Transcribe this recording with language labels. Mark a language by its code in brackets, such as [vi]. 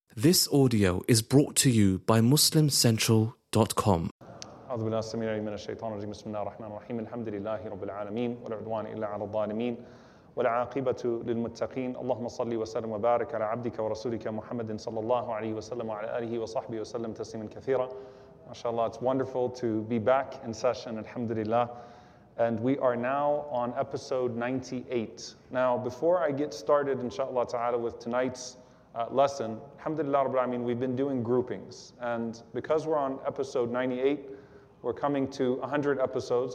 [en] This audio is brought to you by MuslimCentral.com. [ar] أعوذ بالله السميع من الشيطان الرجيم بسم الله الرحمن الرحيم الحمد لله رب العالمين والعدوان إلا على الظالمين والعاقبة للمتقين اللهم صل وسلم وبارك على عبدك ورسولك محمد صلى الله عليه وسلم وعلى آله وصحبه وسلم تسليما كثيرا. [en] MashaAllah, it's wonderful to be back in session, alhamdulillah. And we are now on episode 98. Now, before I get started, inshaAllah ta'ala, with tonight's lesson, alhamdulillah rabbil alameen, we've been doing groupings. And because we're on episode 98, we're coming to 100 episodes.